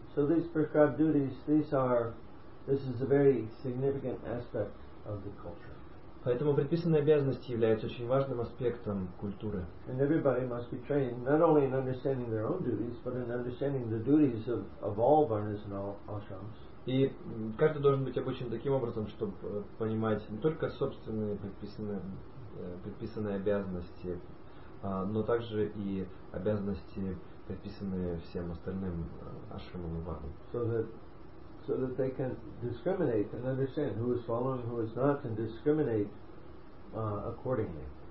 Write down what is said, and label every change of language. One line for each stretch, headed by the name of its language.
English: So these prescribed duties, this is a very significant aspect of the culture.
Russian: Поэтому предписанные обязанности являются очень важным аспектом культуры.
English: And everybody must be trained not only in understanding their own duties, but in understanding the duties of all varnas and all ashrams.
Russian: И каждый должен быть обучен таким образом, чтобы понимать не только собственные предписанные обязанности, но также и обязанности, предписанные всем остальным ашрамам и варнам.
English: So that they can discriminate and understand who is following, who is not, and discriminate accordingly.